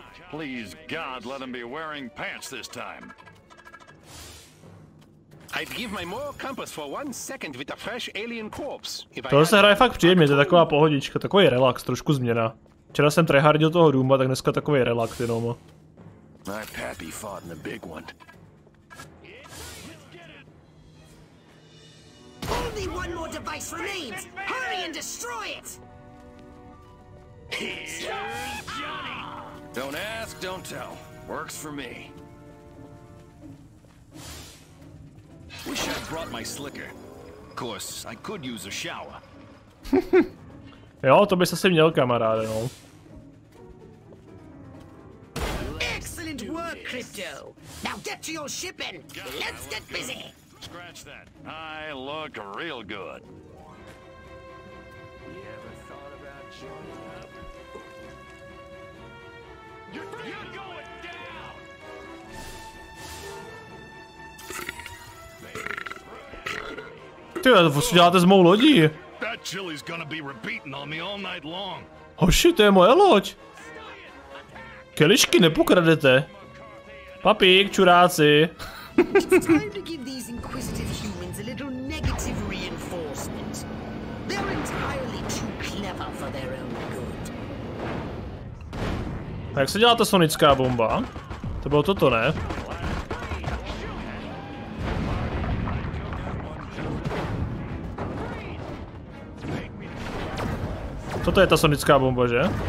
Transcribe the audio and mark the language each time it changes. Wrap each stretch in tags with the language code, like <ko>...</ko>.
<en>Please God, let him be wearing pants this time. I'd give my moral compass for one second with a fresh alien corpse.</en> <cs>To se hraje fakt příjemně, to je taková pohodička, takový relax, trošku změna. Včera jsem tryhardil toho Dooma, tak dneska takový relax jenom.</cs> <en>My pappy fought in the big one. Only one more device remains. Hurry and destroy it. Johnny. Don't ask, don't tell. Works for me. Wish I'd brought my slicker. Of course, I could use a shower.</en> <cs>Jo, to bys asi měl, kamaráde, no.</cs> <en>Excellent work, Crypto. Now get to your ship and let's get busy. Scratch that. I look real good. You ever thought about joining up? You're going down!</en> <cs>Ty, co si děláte s mou lodí?</cs> <en>That chili's gonna be repeating on me all night long.</en> <cs>Hoši, to je moje loď. Kelišky nepokradete. Papík, čuráci.</cs> <en>It's time to give these inquisitive humans a little negative reinforcement. They're entirely too clever for their own good.</en> <cs>A jak se dělá ta sonická bomba? To bylo toto, ne? Toto je ta sonická bomba, že?</cs>